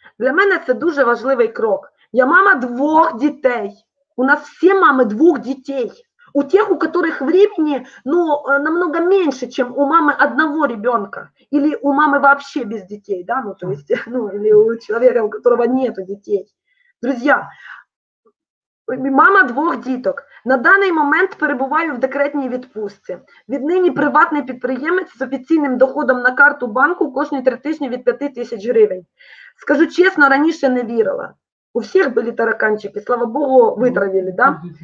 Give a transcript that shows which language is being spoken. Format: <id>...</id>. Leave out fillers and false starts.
<uk>Для мене це дуже важливий крок. Я мама двох дітей. У нас все мами двох дітей.</uk> <ru>У тех, у которых времени, ну, намного меньше, чем у мамы одного ребенка. Или у мамы вообще без детей, да, ну, то есть, ну, или у человека, у которого нету детей. Друзья,</ru> <uk>мама двох діток. На даний момент перебуваю в декретній відпустці. Віднині приватний підприємець з офіційним доходом на карту банку кожні 3 тижні від 5000 гривень. Скажу чесно, раніше не вірила. У всіх були тараканчики, слава Богу, витравили, да?</uk>